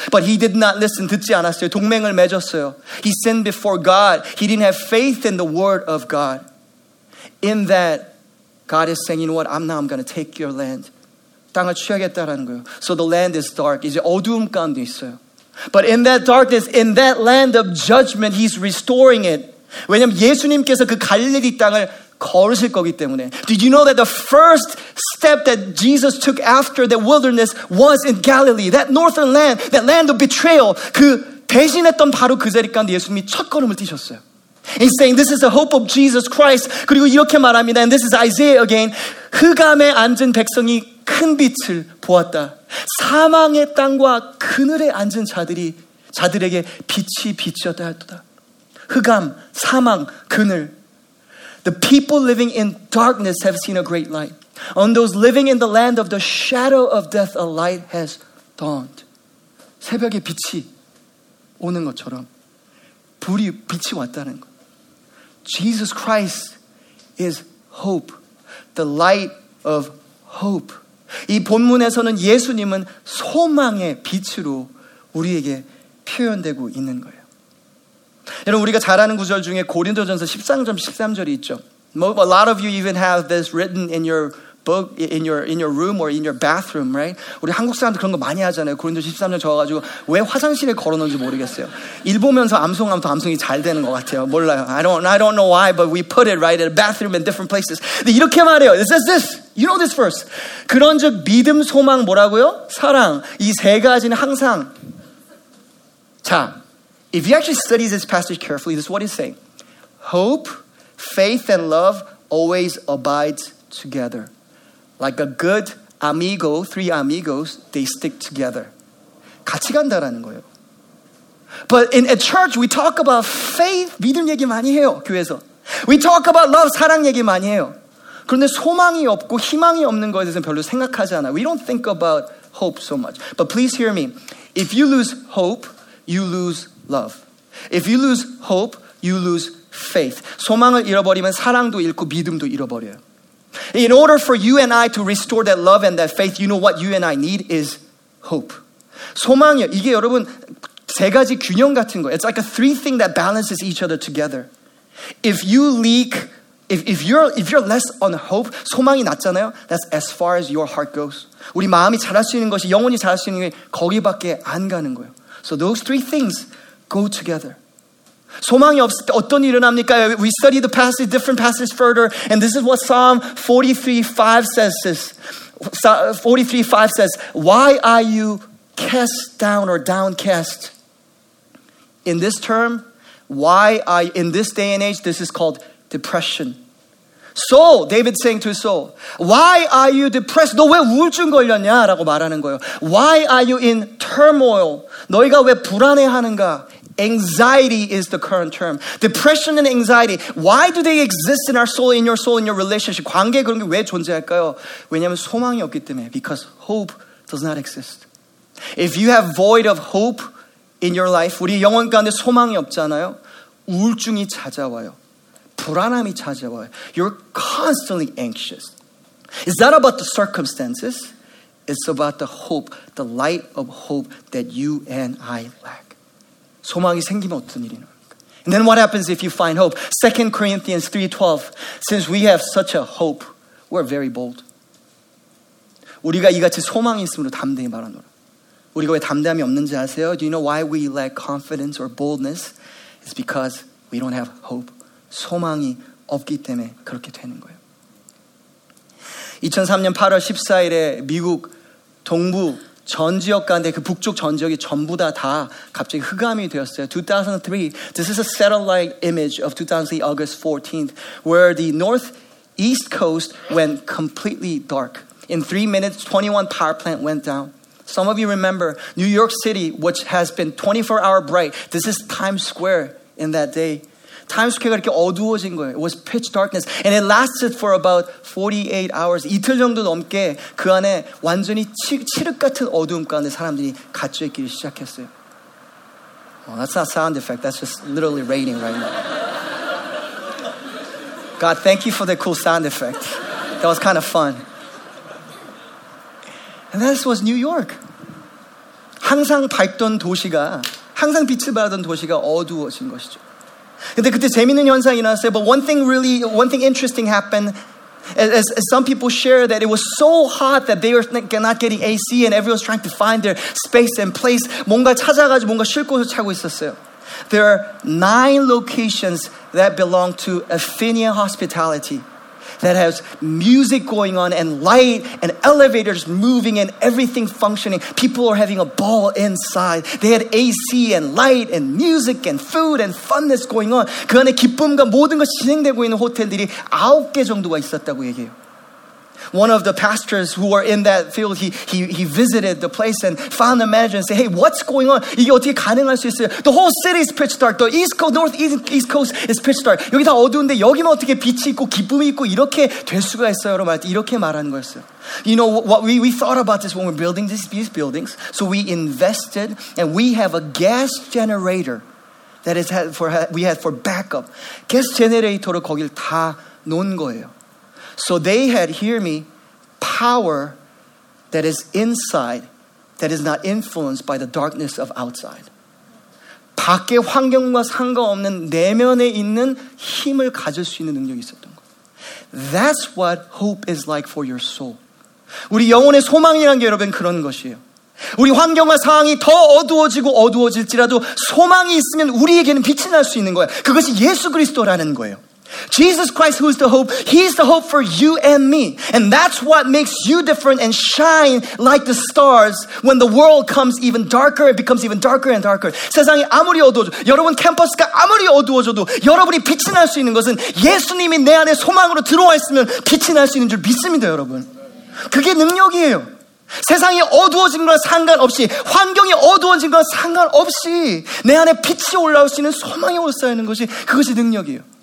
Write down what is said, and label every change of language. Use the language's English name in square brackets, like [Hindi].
[English] But he did not listen, [Korean] 듣지 않았어요. 동맹을 맺었어요. [English] He sinned before God. He didn't have faith in the word of God. In that, God is saying, you know what, I'm going to take your land. [Korean] 땅을 취하겠다라는 거예요. [English] So the land is dark. [Korean] 이제 어두움 가운데 있어요. [English] But in that darkness, in that land of judgment, he's restoring it. [Korean] 왜냐하면 예수님께서 그 갈릴리 땅을 걸으실 거기 때문에. [English] Did you know that the first step that Jesus took after the wilderness was in Galilee? That northern land, that land of betrayal. [Korean] 그 배신했던 바로 그 자리까지 예수님이 첫 걸음을 뛰셨어요. [English] He's saying this is the hope of Jesus Christ. [Korean] 그리고 이렇게 말합니다. [English] And this is Isaiah again. [Korean] 흑암에 앉은 백성이 큰 빛을 보았다. 사망의 땅과 그늘에 앉은 자들이 자들에게 빛이 비추었다 하였도다. 흑암, 사망, 그늘. [English] The people living in darkness have seen a great light. On those living in the land of the shadow of death, a light has dawned. [Korean] 새벽에 빛이 오는 것처럼 불이 빛이 왔다는 것. [English] Jesus Christ is hope, the light of hope. [Korean] 이 본문에서는 예수님은 소망의 빛으로 우리에게 표현되고 있는 거예요. 여러분 우리가 잘 아는 구절 중에 고린도전서 13장 13절이 있죠. [English] A lot of you even have this written in your book, in your room or in your bathroom, right? [Korean] 우리 한국 사람들 그런 거 많이 하잖아요. 고린도전서 13장 적어가지고 왜 화장실에 걸어놓는지 모르겠어요. 읽으면서 암송하면 더 암송이 잘 되는 것 같아요. 몰라요. [English] I don't know why, but we put it right in a bathroom in different places. [Korean] 근데 이렇게 말해요. [English] It says this. You know this verse. [Korean] 그런즉 믿음, 소망, 뭐라고요? 사랑. 이 세 가지는 항상 자. [English] If you actually study this passage carefully, this is what it's saying. Hope, faith, and love always abide together. Like a good amigo, three amigos, they stick together. [Korean] 같이 간다라는 거예요. [English] But in a church, we talk about faith, [Korean] 믿음 얘기 많이 해요, 교회에서. [English] We talk about love, [Korean] 사랑 얘기 많이 해요. 그런데 소망이 없고 희망이 없는 것에 대해서 별로 생각하지 않아. [English] We don't think about hope so much. But please hear me. If you lose hope, you lose hope. Love. If you lose hope, you lose faith. [Korean] 소망을 잃어버리면 사랑도 잃고 믿음도 잃어버려요. [English] In order for you and I to restore that love and that faith, you know what you and I need is hope. [Korean] 소망이요. 이게 여러분 세 가지 균형 같은 거예요. [English] It's like a three thing that balances each other together. If you leak, if you're less on hope, [Korean] 소망이 낮잖아요. [English] That's as far as your heart goes. [Korean] 우리 마음이 잘할 수 있는 것이 영원히 잘할 수 있는 게 거기밖에 안 가는 거예요. [English] So those three things go together. [Korean] 소망이 없을 때 어떤 일이 일어납니까? [English] We study the passage, different passages further, and this is what Psalm 43:5 says. This. Psalm 43:5 says, "Why are you cast down or downcast?" In this term, why are you, in this day and age, this is called depression. Soul, David's saying to his soul, why are you depressed? [Korean] 너 왜 우울증 걸렸냐? 라고 말하는 거예요. [English] Why are you in turmoil? [Korean] 너희가 왜 불안해하는가? [English] Anxiety is the current term. Depression and anxiety. Why do they exist in our soul, in your soul, in your relationship? [Korean] 관계 그런 게 왜 존재할까요? 왜냐하면 소망이 없기 때문에. [English] Because hope does not exist. If you have void of hope in your life, [Korean] 우리 영혼 가운데 소망이 없잖아요. 우울증이 찾아와요. 불안함이 찾아와요. [English] You're constantly anxious. It's not about the circumstances. It's about the hope, the light of hope that you and I lack. [Korean] 소망이 생기면 어떤 일이 납니까? [English] And then what happens if you find hope? 2 Corinthians 3:12. Since we have such a hope, we're very bold. [Korean] 우리가 이같이 소망이 있음으로 담대히 말하노라. 우리가 왜 담대함이 없는지 아세요? [English] Do you know why we lack confidence or boldness? It's because we don't have hope. [Korean] 소망이 없기 때문에 그렇게 되는 거예요. 2003년 8월 14일에 미국 동부 전 지역 가운데 그 북쪽 전 지역이 전부 다 갑자기 흑암이 되었어요. [English] 2003, this is a satellite image of 2003, August 14th, where the northeast coast went completely dark. In 3 minutes, 21 power plant went down. Some of you remember New York City, which has been 24-hour bright. This is Times Square in that day. [Korean] Times Square가 이렇게 어두워진 거예요. [English] It was pitch darkness. And it lasted for about 48 hours. [Korean] 이틀 정도 넘게 그 안에 완전히 칠흑 같은 어두움 가운데 사람들이 갇혀 있기를 시작했어요. [English] Well, that's not sound effect. That's just literally raining right now. God, thank you for the cool sound effect. That was kind of fun. And this was New York. [Korean] 항상 밝던 도시가, 항상 빛을 받던 도시가 어두워진 것이죠. 근데 그때 재밌는 현상이 일어났어요. [English] But one thing interesting happened. As some people share that it was so hot that they were not getting AC and everyone's trying to find their space and place. [Korean] 뭔가 찾아가지고 뭔가 쉴 곳을 찾고 있었어요. [English] There are 9 locations that belong to Athenian hospitality that has music going on and light and elevators moving and everything functioning. People are having a ball inside. They had AC and light and music and food and funness going on. [Korean] 그 안에 기쁨과 모든 것이 진행되고 있는 호텔들이 9개 정도가 있었다고 얘기해요. [English] One of the pastors who were in that field, he visited the place and found the manager and said, hey, what's going on? [Korean] 이게 어떻게 가능할 수 있어요? [English] The whole city is pitch dark. The east coast, north, east coast is pitch dark. [Korean] 여기 다 어두운데 여기만 어떻게 빛이 있고 기쁨이 있고 이렇게 될 수가 있어요? 라고 말했지. 이렇게 말하는 거였어요. [English] You know, what we thought about this when we're building these buildings. So we invested and we have a gas generator that is had for, we had for backup. [Korean] Gas generator를 거길 다 놓은 거예요. [English] So they had, hear me, power that is inside that is not influenced by the darkness of outside. [Korean] 밖의 환경과 상관없는 내면에 있는 힘을 가질 수 있는 능력이 있었던 거. [English] That's what hope is like for your soul. [Korean] 우리 영혼의 소망이란 게 여러분 그런 것이에요. 우리 환경과 상황이 더 어두워지고 어두워질지라도 소망이 있으면 우리에게는 빛이 날 수 있는 거예요. 그것이 예수 그리스도라는 거예요. [English] Jesus Christ, who is the hope, he's the hope for you and me. And that's what makes you different and shine like the stars when the world comes even darker, it becomes even darker and darker. [Korean] 세상이 아무리 어두워져, 여러분 캠퍼스가 아무리 어두워져도 여러분이 빛이 날 수 있는 것은 예수님이 내 안에 소망으로 들어와 있으면 빛이 날 수 있는 줄 믿습니다, 여러분. 그게 능력이에요. 세상이 어두워진 건 상관없이, 환경이 어두워진 건 상관없이 내 안에 빛이 올라올 수 있는 소망이 올 수 있는 것이 그것이 능력이에요.